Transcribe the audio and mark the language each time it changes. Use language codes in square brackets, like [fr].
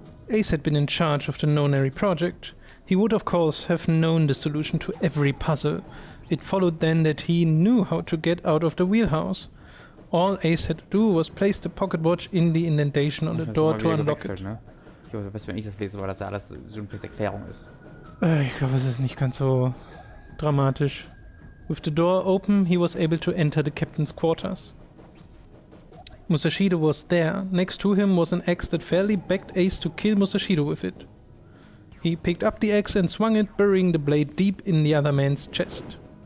[en] Ace had been in charge of the Nonary project. He would, of course, have known the solution to every puzzle. It followed then that he knew how to get out of the wheelhouse. All Ace had to do was place the pocket watch in the indentation on the door to unlock it. [de] Ich glaube, das ist, wenn ich das lese, weil das ja alles so ein bisschen Erklärung ist. Ich glaube, es ist nicht ganz so dramatisch. [en] With the door open, he was able to enter the captain's quarters. Musashiro was there. Next to him was an axe that fairly begged Ace to kill Musashiro with it. He picked up the axe and swung it, burying the blade deep in the other man's chest.